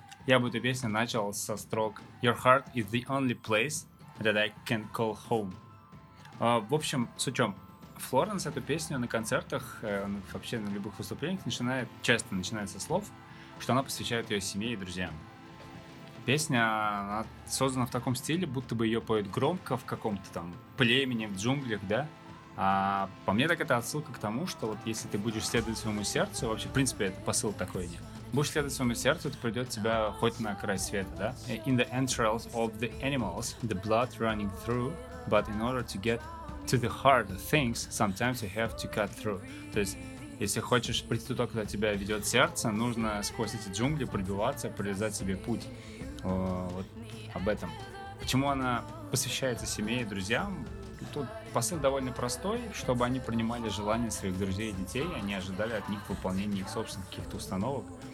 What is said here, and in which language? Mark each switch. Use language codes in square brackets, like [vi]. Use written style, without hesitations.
[ru] Я бы эту песню начал со строк [en] «Your heart is the only place that I can call home». [ru] В общем, суть в чем. Флоренс эту песню на концертах, вообще на любых выступлениях, начинает, часто начинает со слов, что она посвящает ее семье и друзьям. Песня она создана в таком стиле, будто бы ее поют громко в каком-то там племени, в джунглях, да? А по мне так это отсылка к тому, что вот если ты будешь следовать своему сердцу, вообще, в принципе, это посыл такой идет. Будешь следовать своему сердцу, это придет тебя хоть на край света, да? [en] In the entrails of the animals, the blood running through, but in order to get to the heart of things, sometimes you have to cut through. [ru] То есть, если хочешь прийти туда, куда тебя ведет сердце, нужно сквозь эти джунгли пробиваться, прорезать себе путь. Вот об этом. Почему она посвящается семье и друзьям? Тут посыл довольно простой, чтобы они принимали желания своих друзей и детей, они ожидали от них выполнения их собственных каких-то установок.